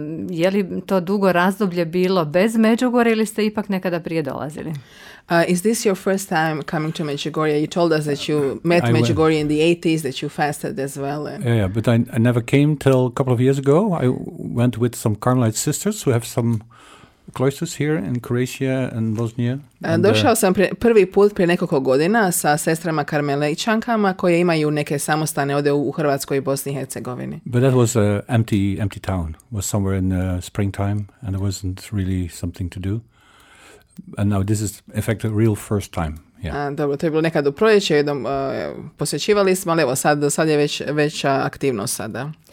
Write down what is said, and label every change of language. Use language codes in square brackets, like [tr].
[hr] Je li to dugo razdoblje bilo bez Međugorje ili ste ipak nekada prije dolazili? [en] Is this your first time coming to Međugorje? You told us that you met Međugorje in the 80s, that you fasted as well. Yeah, but I never came till a couple of years ago. I went with some Carmelite sisters who have some cloisters here in Croatia and Bosnia. [hr] Došao sam prvi put prije nekoliko godina sa sestrama Karmelićankama koje imaju neke samostane ovdje u Hrvatskoj i Bosni i Hercegovini. [en] But that was an empty town. It was somewhere in the springtime and there wasn't really something to do. And now this is in fact a real first time. Yeah. [hr] Dobro, to je bilo nekad u proljeće, jednom posjećivali smo, ali evo sad je već veća aktivnost sada.